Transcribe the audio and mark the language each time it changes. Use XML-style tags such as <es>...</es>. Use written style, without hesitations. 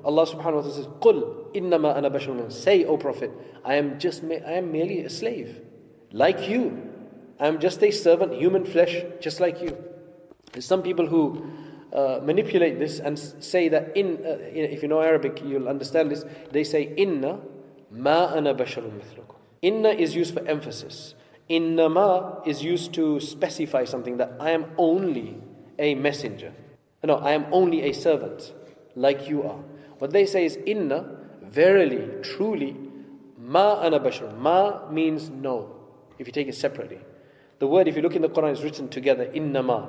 <en>Allah subhanahu wa ta'ala says,</en> <ar>قُلْ إِنَّمَا أَنَا بَشَرٌ مِثْلُكُمْ.</ar> <en>Say, O Prophet, I am merely a slave, like you. I am just a servant, human flesh, just like you. There's some people who manipulate this and say that if you know Arabic, you'll understand this. They say,</en> <ar>إِنَّ مَا أَنَا بَشَرٌ مِثْلُكُمْ.</ar> <en>إِنَّ is used for emphasis. إِنَّمَا is used to specify something, that I am only a messenger. No, I am only a servant, like you are. What they say is, inna, verily, truly, ma ana bashar. Ma means no, if you take it separately. The word, if you look in the Quran, is written together, inna ma.</en>